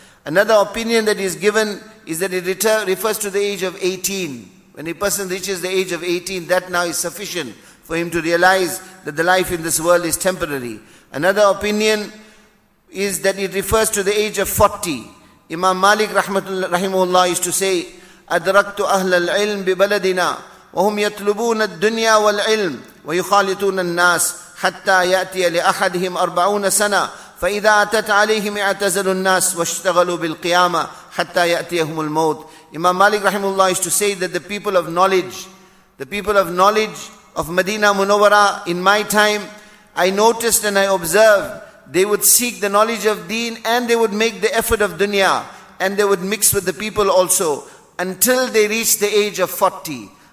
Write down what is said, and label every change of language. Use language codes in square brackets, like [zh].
[en] Another opinion that is given is that it refers to the age of 18. When a person reaches the age of 18, that now is sufficient for him to realize that the life in this world is temporary. Another opinion is that it refers to the age of 40. Imam Malik rahimahullah used to say, [ar] أَدْرَكْتُ أَهْلَ الْعِلْمِ بِبَلَدِنَا وَهُمْ يَطْلُبُونَ الدُّنْيَا وَالْعِلْمِ وَيُخَالِطُونَ النَّاسِ حَتَّى يَأْتِيَ لِأَحَدِهِمْ 40 سَنَةً فَإِذَا أَتَتْ عَلَيْهِمْ اَعْتَزَلُ النَّاسِ وَاشْتَغَلُوا بِالْقِيَامَةِ حَتَّى يَأْتِيَهُمُ الْمَوْتِ. [en] Imam Malik rahimahullah used to say that the people of knowledge of Medina Munawwara, in my time, I noticed and I observed, they would seek the knowledge of deen and they would make the effort of dunya and they would mix with the people also until they reached the age of 40.